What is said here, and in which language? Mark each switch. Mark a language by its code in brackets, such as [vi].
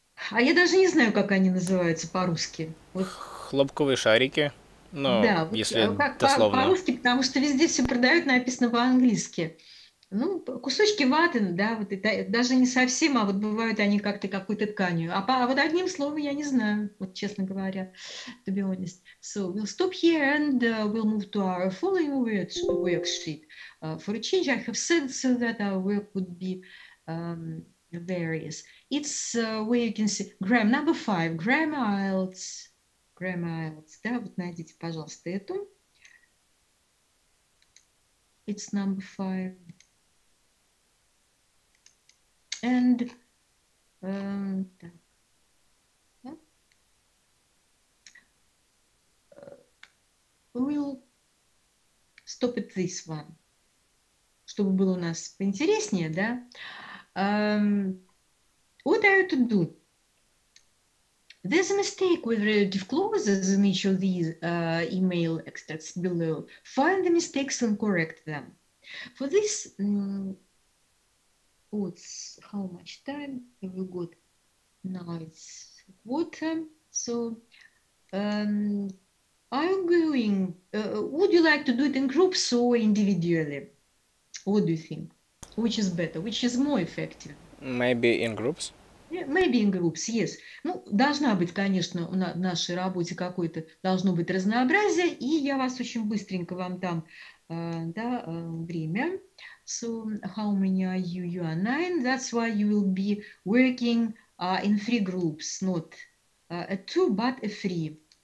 [ru] А я даже не знаю, как они называются по-русски. Вот. Хлопковые шарики, но да, если вот, дословно. По-русски, потому что везде все продают, написано по-английски. Ну, кусочки ваты, да, вот это, даже не совсем, а вот бывают они как-то какой-то тканью. А вот одним словом я не знаю, вот честно говоря, [en] to be honest. So, we'll stop here and we'll move to our following worksheet. For a change, I have said so that our work would be various. It's where you can see, grammar, number five, grammar IELTS, [ru] да, вот найдите, пожалуйста, эту. [en] It's number five. And так. We'll stop at this one. [ru] Чтобы было у нас поинтереснее, да? [en] What are you to do? There's a mistake with relative clauses in each of these email extracts below. Find the mistakes and correct them. For this, how much time have we got? Now it's quarter. So, are you going? Would you like to do it in groups or individually? What do you think? Which is better? Which is more effective? Maybe in groups. Yeah, maybe in groups, yes. [ru] Ну, должна быть, конечно, на нашей работе какое-то должно быть разнообразие, и я вас очень быстренько вам дам время. [en] So, how many are you? You are 9. That's why you will be working in 3 groups, not a 2, but a 3.